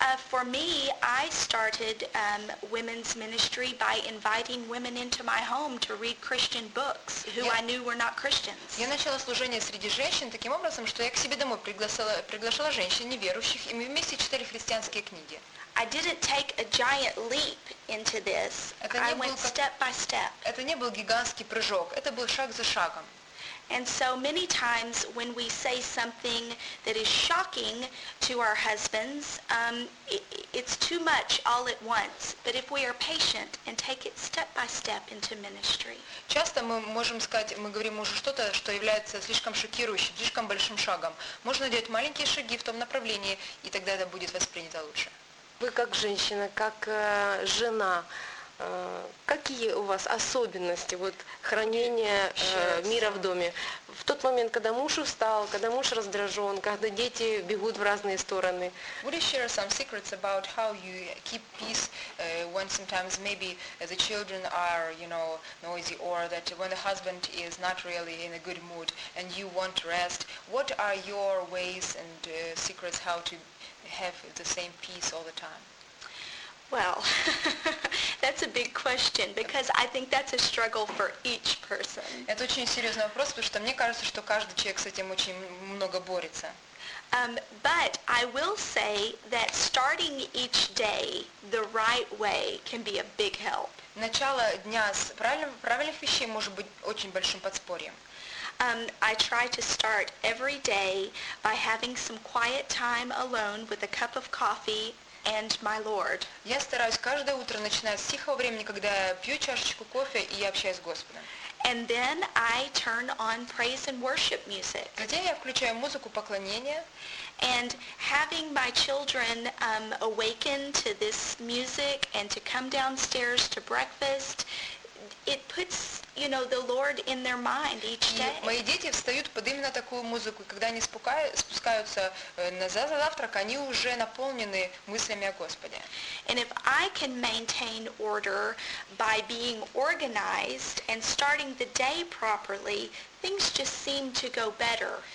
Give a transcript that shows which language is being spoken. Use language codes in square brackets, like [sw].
[en] For me, I started women's ministry by inviting women into my home to read Christian books who I knew were not Christians. [ru] Я начала служение среди женщин таким образом, что я к себе домой приглашала женщин неверующих, и мы вместе читали христианские книги. [en] I didn't take a giant leap into this. I went step by step. [ru] Это не был гигантский прыжок, это был шаг за шагом. [en] And so many times when we say something that is shocking to our husbands, it's too much all at once. But if we are patient and take it step by step into ministry. [ru] Часто мы можем сказать, мы говорим мужу что-то, что является слишком шокирующим, слишком большим шагом. Можно делать маленькие шаги в том направлении, и тогда это будет воспринято лучше. Вы как женщина, как жена, какие у вас особенности вот хранения мира в доме? В тот момент, когда муж устал, когда муж раздражен, когда дети бегут в разные стороны. [en] Would you share some secrets about how you keep peace when sometimes maybe the children are, you know, noisy, or that when the husband is not really in a good mood and you want rest? What are your ways and secrets how to have the same peace all the time? Well, that's a big question because I think that's a struggle for each person. [ru] Это очень серьёзный вопрос, потому что мне кажется, что каждый человек с этим очень много борется. [en] But I will say that starting each day the right way can be a big help. [ru] Начало дня с правильных вещей может быть очень большим подспорьем. [en] I try to start every day by having some quiet time alone with a cup of coffee and my Lord. [ru] Я стараюсь каждое утро начинать с тихого времени, когда я пью чашечку кофе и общаюсь с Господом. [en] And then I turn on praise and worship music. [ru] Затем я включаю музыку поклонения. [en] And having my children awaken to this music and to come downstairs to breakfast, it puts, you know, the Lord in their mind each day. [ru] Мои дети встают под именно такую музыку, и когда они спускаются на завтрак, они уже наполнены мыслями о Господе. [en] And if I can maintain order by being organized and starting the day properly, things just seem to go better.